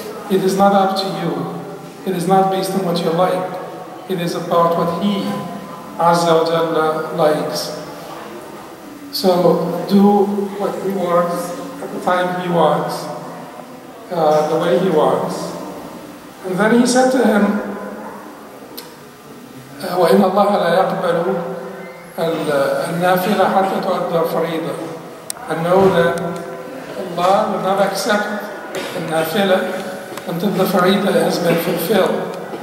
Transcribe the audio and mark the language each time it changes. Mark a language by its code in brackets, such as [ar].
[en] It is not up to you. It is not based on what you like. It is about what He, Azza wa Jalla, likes. So do what He wants at the time He wants, the way He wants. And then he said to him, [ar] وَإِنَّ اللَّهَ لَا يَقْبَلُ النَّافِلَ حَتَّى تُؤَدَّى الْفَرِيضَةَ. [en] And know that Allah will not accept the nafila until the farida has been fulfilled.